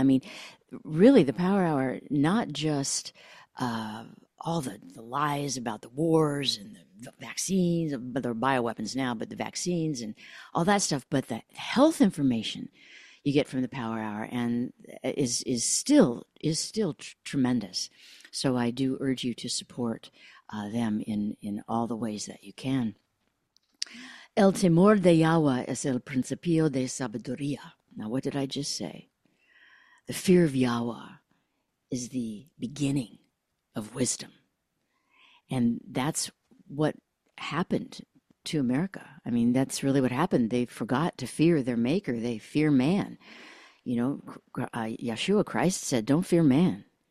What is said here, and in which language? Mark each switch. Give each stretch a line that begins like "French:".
English: I mean, really, the Power Hour, not just all the lies about the wars and the vaccines, but there are bioweapons now, but the vaccines and all that stuff, but the health information you get from the Power Hour and is still tremendous. So I do urge you to support them in all the ways that you can.
Spanish: El temor de Yahweh es el principio de sabiduría.
English: Now, what did I just say? The fear of Yahweh is the beginning of wisdom. And that's what happened to America. I mean, that's really what happened. They forgot to fear their maker. They fear man. You know, Yeshua Christ said, don't fear man.